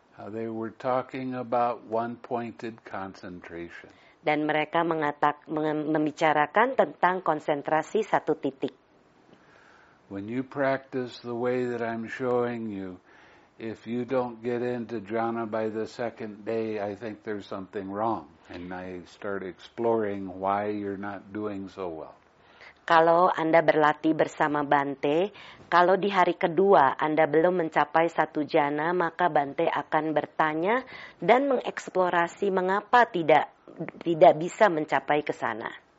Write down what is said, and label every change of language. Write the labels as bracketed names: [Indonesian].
[English] They were talking about one-pointed concentration. [Indonesian] Dan mereka membicarakan tentang konsentrasi satu titik. [English] When you practice the way that I'm showing you, if you don't get into jhana by the second day, I think there's something wrong. And I start exploring why you're not doing so well. [Indonesian] Kalau Anda berlatih bersama Bante, kalau di hari kedua Anda belum mencapai satu jhana, maka Bante akan bertanya dan mengeksplorasi mengapa tidak bisa mencapai ke sana.